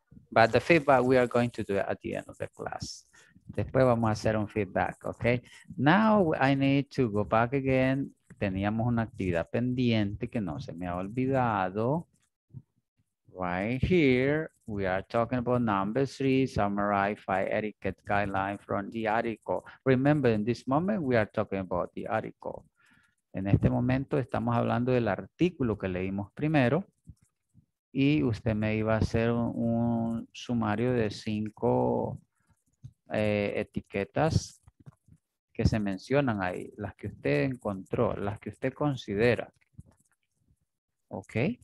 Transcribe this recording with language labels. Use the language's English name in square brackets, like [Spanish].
[English] But the feedback we are going to do at the end of the class. [Spanish] Después vamos a hacer un feedback, ¿ok? [English] Now I need to go back again. [Spanish] Teníamos una actividad pendiente que no se me ha olvidado. [English] Right here, we are talking about number three, summarize five etiquette guidelines from the article. Remember, in this moment, we are talking about the article. [Spanish] En este momento estamos hablando del artículo que leímos primero. Y usted me iba a hacer un sumario de cinco etiquetas que se mencionan ahí, las que usted encontró, las que usted considera. Ok.